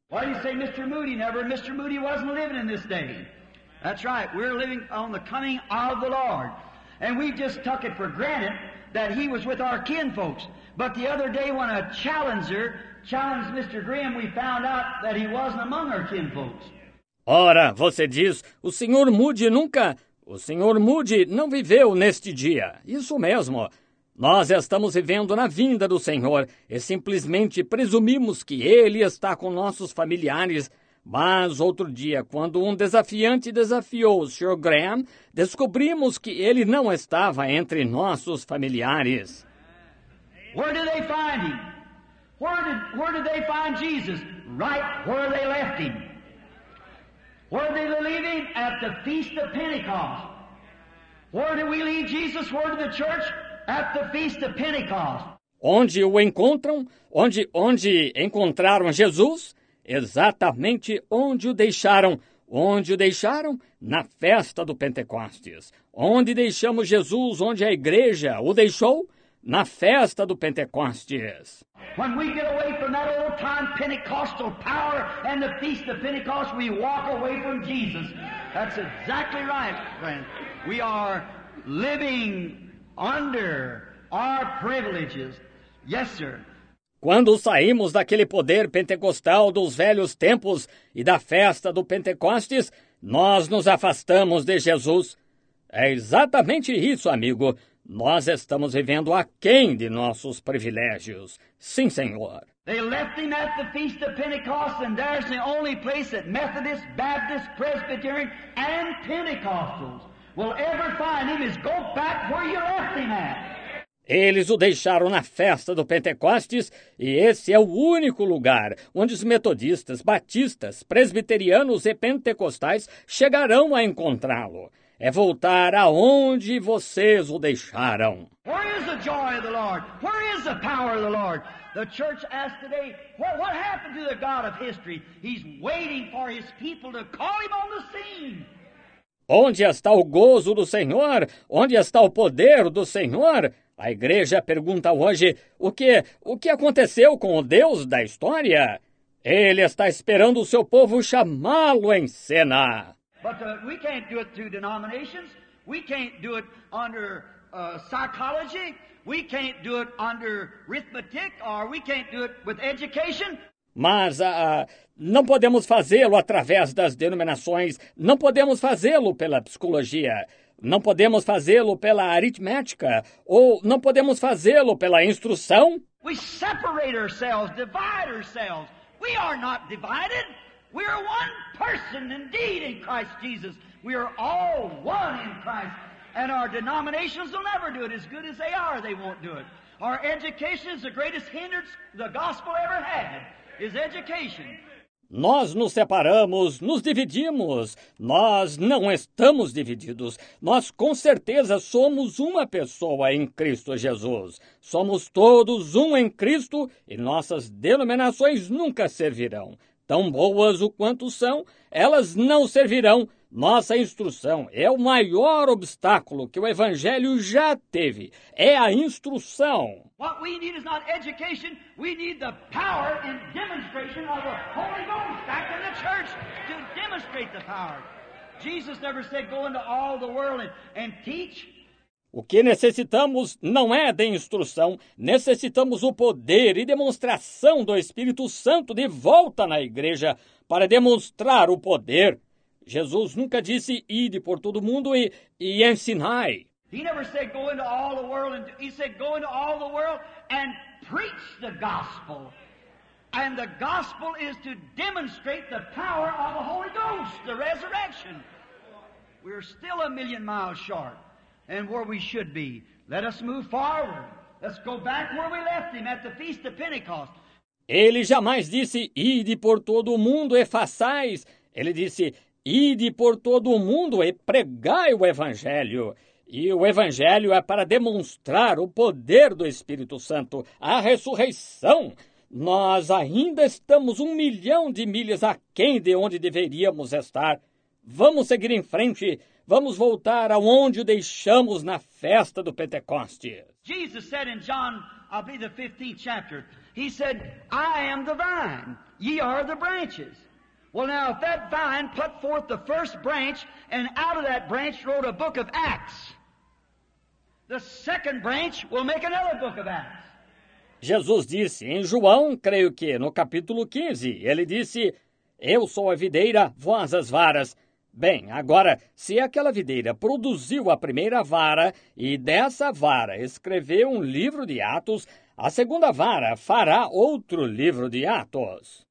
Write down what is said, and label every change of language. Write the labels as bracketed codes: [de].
[en] Why do you say Mr. Moody never? Mr. Moody wasn't living in this day. That's right, we're living on the coming of the Lord. And we just took it for granted that he was with our kin folks. But the other day when a challenger challenged Mr. Graham, we found out that he wasn't among our kin folks. [pt] Ora, você diz, o Sr. Moody nunca... O Sr. Moody não viveu neste dia. Isso mesmo. Nós estamos vivendo na vinda do Senhor e simplesmente presumimos que ele está com nossos familiares. Mas outro dia, quando um desafiante desafiou o Sr. Graham, descobrimos que ele não estava entre nossos familiares. Onde eles encontram? [en] Where did they find Jesus? Right where they left him. Where did they leave him? At the Feast of Pentecost. Where did we leave Jesus? Where did the church? At the Feast of Pentecost. [pt] Onde o encontram? Onde encontraram Jesus? Exatamente onde o deixaram. Onde o deixaram? Na festa do Pentecostes. Onde deixamos Jesus? Onde a igreja o deixou? Na festa do Pentecostes. [en] When we get away from that old time Pentecostal power and the Feast of Pentecost, we walk away from Jesus. That's exactly right, friend. We are living under, our privileges. Yes, sir. [pt] Quando saímos daquele poder pentecostal dos velhos tempos e da festa do Pentecostes, nós nos afastamos de Jesus. É exatamente isso, amigo. Nós estamos vivendo aquém de nossos privilégios. Sim, Senhor. [en] They left him at the Feast of Pentecost, and there's the only place that Methodists, Baptists, Presbyterians, and Pentecostals will ever find him is go back where you left him at. [pt] Eles o deixaram na festa do Pentecostes, e esse é o único lugar onde os metodistas, batistas, presbiterianos e pentecostais chegarão a encontrá-lo. É voltar aonde vocês o deixaram. [en] Where is the joy of the Lord? Where is the power of the Lord? The church asks today, what happened to the God of history? He's waiting for his people to call him on the scene. [pt] Onde está o gozo do Senhor? Onde está o poder do Senhor? A igreja pergunta hoje, o que aconteceu com o Deus da história? Ele está esperando o seu povo chamá-lo em cena. [en] But we can't do it through denominations. We can't do it under psychology. We can't do it under arithmetic, or we can't do it with education. [pt] Mas não podemos fazê-lo através das denominações. Não podemos fazê-lo pela psicologia. Não podemos fazê-lo pela aritmética. Ou não podemos fazê-lo pela instrução. [en] We separate ourselves, divide ourselves. We are not divided. We are one person indeed in Christ Jesus. We are all one in Christ. And our denominations will never do it. As good as they are, they won't do it. Our education is the greatest hindrance the gospel ever had, is education. [pt] Nós nos separamos, nos dividimos. Nós não estamos divididos. Nós com certeza somos uma pessoa em Cristo Jesus. Somos todos um em Cristo e nossas denominações nunca servirão. Tão boas o quanto são, elas não servirão. Nossa instrução é o maior obstáculo que o Evangelho já teve. É a instrução. [en] What we need is not education. We need the power and demonstration of the Holy Ghost back in the church to demonstrate the power. Jesus never said go into all the world and teach. [pt] O que necessitamos não é de instrução, necessitamos o poder e demonstração do Espírito Santo de volta na igreja para demonstrar o poder. Jesus nunca disse, ide por todo mundo e ensinai. [en] He never said go into all the world, and he said go into all the world and preach the gospel. And the gospel is to demonstrate the power of the Holy Ghost, the resurrection. We're still a million miles short. And where we should be. Let us move forward. Let's go back where we left him at the Feast of Pentecost. [pt] Ele jamais disse, ide por todo o mundo e façais. Ele disse, ide por todo o mundo e pregai o Evangelho. E o Evangelho é para demonstrar o poder do Espírito Santo, a ressurreição. Nós ainda estamos 1 milhão de milhas aquém de onde deveríamos estar. Vamos seguir em frente. Vamos voltar aonde o deixamos na festa do Pentecostes. [en] Jesus said in John, I'll be the 15th chapter. He said, I am the vine, ye are the branches. Well, now, if that vine put forth the first branch, and out of that branch wrote a book of Acts, the second branch will make another book of Acts. [pt] Jesus disse em João, creio que no capítulo 15, ele disse, eu sou a videira, vós as varas. Bem, agora, se aquela videira produziu a primeira vara e dessa vara escreveu um livro de Atos, a segunda vara fará outro livro de Atos.